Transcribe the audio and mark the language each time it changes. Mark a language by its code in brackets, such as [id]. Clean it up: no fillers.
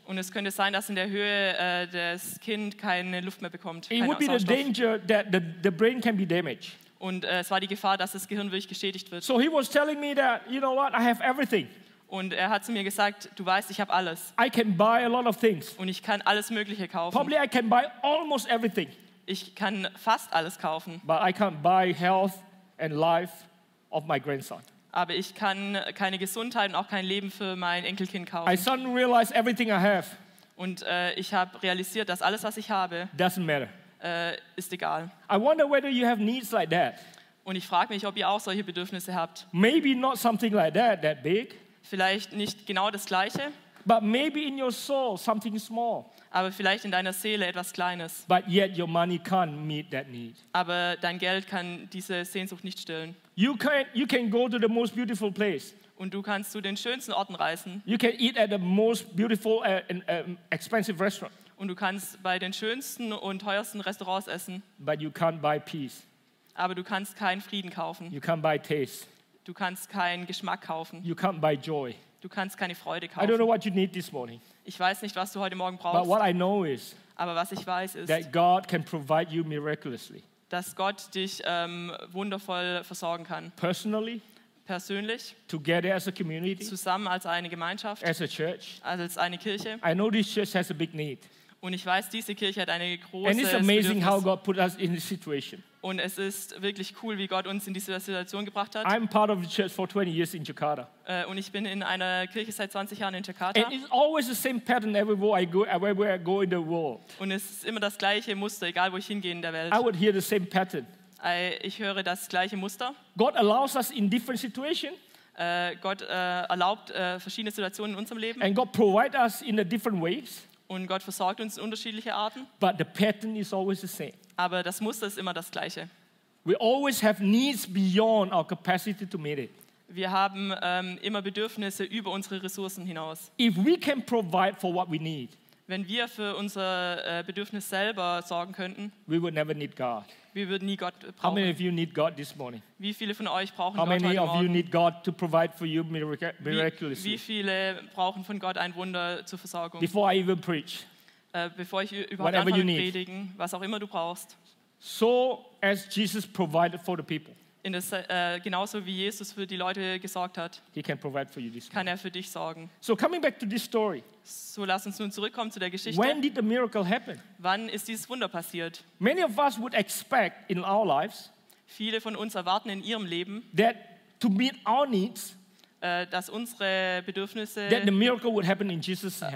[de] Und es könnte sein, dass in der Höhe das Kind keine Luft mehr bekommt. [en] It would be the danger that the brain can be damaged. [de] Und es war die Gefahr, dass das Gehirn wirklich geschädigt wird. [en] So he was telling me that, you know what, I have everything. [de] Und er hat zu mir gesagt, du weißt, ich habe alles. [en] I can buy a lot of things. [de] Und ich kann alles Mögliche kaufen. [en] Probably I can buy almost everything. [de] Ich kann fast alles kaufen. [en] But I can't buy health and life of my grandson. [de] Aber ich kann keine Gesundheit und auch kein Leben für mein Enkelkind kaufen. [en] I suddenly realized everything I have. [de] Und ich habe realisiert, dass alles, was ich habe, [en] doesn't matter. [de] Ist egal. [en] I wonder whether you have needs like that. [de] Und ich frage mich, ob ihr auch solche Bedürfnisse habt. [en] Maybe not something like that big. [de] Vielleicht nicht genau das Gleiche. [en] But maybe in your soul something small. [de] Aber vielleicht in deiner Seele etwas Kleines. [en] But yet your money can't meet that need. [de] Aber dein Geld kann diese Sehnsucht nicht stillen. [en] You can go to the most beautiful place. [de] Und du kannst zu den schönsten Orten reisen. [en] You can eat at the most beautiful and expensive restaurant. [de] Und du kannst bei den schönsten und teuersten Restaurants essen. [en] But you can't buy peace. [de] Aber du kannst keinen Frieden kaufen. [en] You can't buy taste. [de] Du kannst keinen Geschmack kaufen. [en] You can't buy joy. [de] Du kannst keine Freude kaufen. [en] I don't know what you need this morning. [de] Ich weiß nicht, was du heute Morgen brauchst. [en] But what I know is, [de] aber was ich weiß ist, [en] that God can provide you miraculously. [de] Dass Gott dich wundervoll versorgen kann. [en] Personally. [de] Persönlich, [en] together as a community, [de] zusammen als eine Gemeinschaft, [en] as a church, [de] als eine Kirche. [en] I know this church has a big need. [de] Und ich weiß, diese Kirche hat eine große. [en] And it's amazing how God put us in this situation. [de] Und es ist wirklich cool, wie Gott uns in diese Situation gebracht hat. [en] I'm part of the church for 20 years in Jakarta. [de] Und ich bin in einer Kirche seit 20 Jahren in Jakarta. [en] And it's always the same pattern everywhere I go in the world. [de] Und es ist immer das gleiche Muster, egal wo ich hingehe in der Welt. [en] I would hear the same pattern. [de] Ich höre das gleiche Muster. [en] God allows us in different situations. [de] Gott erlaubt verschiedene Situationen in unserem Leben. [en] And God provides us in a different ways. [de] Und Gott versorgt uns in unterschiedliche Arten. [en] But the pattern is always the same. [de] Aber das Muster ist immer das gleiche. [en] We always have needs beyond our capacity to meet it. [de] Wir haben immer Bedürfnisse über unsere Ressourcen hinaus. [en] If we can provide for what we need. [de] Wenn wir für unser Bedürfnis selber sorgen könnten, [en] we would never need God. [de] Wir würden nie Gott brauchen. [en] How many of you need God this morning? [de] Wie viele von euch brauchen Gott heute Morgen? [en] How many of you need God to provide for you miraculously? [de] Wie viele brauchen von Gott ein Wunder zur Versorgung? [en] Before I even preach. [de] Bevor ich überhaupt anfange predigen, was auch immer du brauchst. [en] So as Jesus provided for the people. [de] Genauso wie Jesus für die Leute gesorgt hat, [en] he can provide for you this [de] kann er für dich sorgen. [en] So, coming back to this story, [de] so lass uns nun zurückkommen zu der Geschichte. [en] When did the miracle happen? [de] Wann ist dieses Wunder passiert? [en] Many of us would expect in our lives, [de] viele von uns erwarten in ihrem Leben, [en] that to meet our needs, [de] dass unsere Bedürfnisse [en] that the miracle would happen in Jesus' hand.